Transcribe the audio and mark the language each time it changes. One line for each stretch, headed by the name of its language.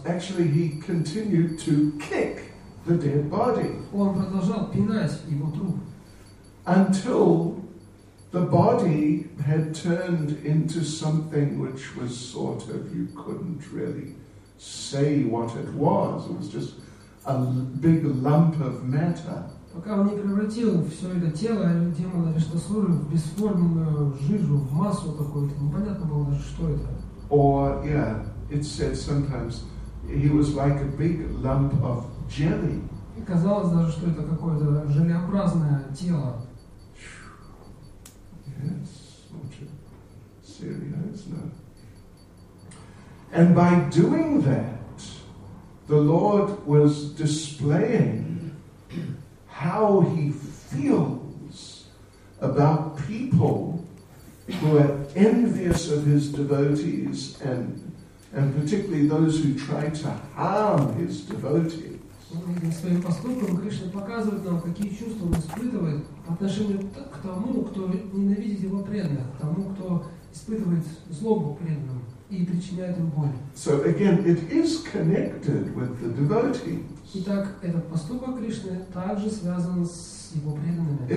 English: Actually, he continued to kick the dead body.
Russian: Он продолжал пинать его труп.
English: Until the body had turned into something which was sort of, you couldn't really say what it was. It was just a big lump of matter.
Russian: Пока он не превратил все это тело, тело Арештасуры, в бесформенную жижу, в массу такую, непонятно было даже, что это.
English: Or, yeah, it said sometimes he was like a big lump of jelly.
Russian: И казалось даже, что это какое-то желеобразное тело.
English: Yes, such a serious, no. And by doing that, the Lord was displaying how he feels about people who are envious of his devotees and particularly those who try to harm his devotees.
Russian: Своим поступком Кришна показывает нам, какие чувства он испытывает по отношению к тому, кто ненавидит его преданных, тому, кто испытывает злобу преданным и причиняет им боль.
English: So again, it is connected with the devotees.
Russian: Итак, этот поступок Кришны также связан с его преданными.